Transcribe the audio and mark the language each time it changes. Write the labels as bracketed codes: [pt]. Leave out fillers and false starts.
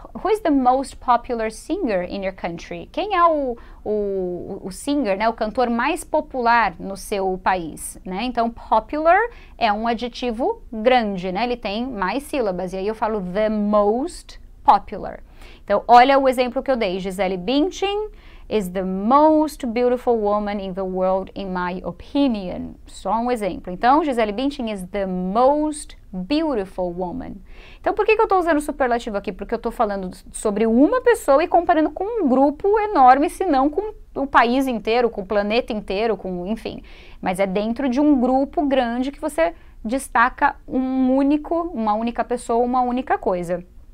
[en] who is the most popular singer in your country? [pt] Quem é o singer, né, o cantor mais popular no seu país, né? Então, popular é um adjetivo grande, né? Ele tem mais sílabas. E aí eu falo [en] the most popular. [pt] Então, olha o exemplo que eu dei. [en] Gisele Bündchen is the most beautiful woman in the world, in my opinion. [pt] Só um exemplo. [en] Então, Gisele Bündchen is the most beautiful woman. [pt] Então, por que eu estou usando superlativo aqui? Porque eu estou falando sobre uma pessoa e comparando com um grupo enorme, se não com o país inteiro, com o planeta inteiro, com, enfim. Mas é dentro de um grupo grande que você destaca uma única pessoa, uma única coisa.